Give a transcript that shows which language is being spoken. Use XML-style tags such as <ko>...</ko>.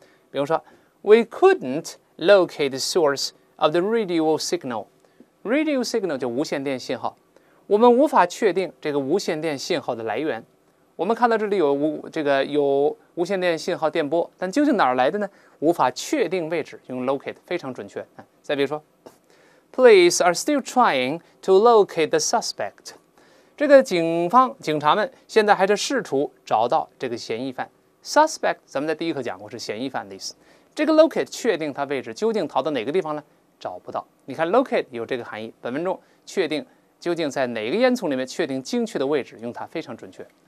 <zh>比如说</zh> <en>,we couldn't locate the source of the radio signal.</en> <zh>Radio signal 就无线电信号。我们无法确定这个无线电信号的来源。我们看到这里有无线电信号电波，但究竟哪儿来的呢？无法确定位置，用 locate 非常准确。再比如说</zh> <en>,police are still trying to locate the suspect.</en> <zh>这个警察们现在还在试图找到这个嫌疑犯。 Suspect 咱们在第一课讲过是嫌疑犯的意思，这个 locate 确定他位置究竟逃到哪个地方呢？找不到。你看 locate 有这个含义，本文中确定究竟在哪个烟囱里面确定精确的位置，用它非常准确。</zh>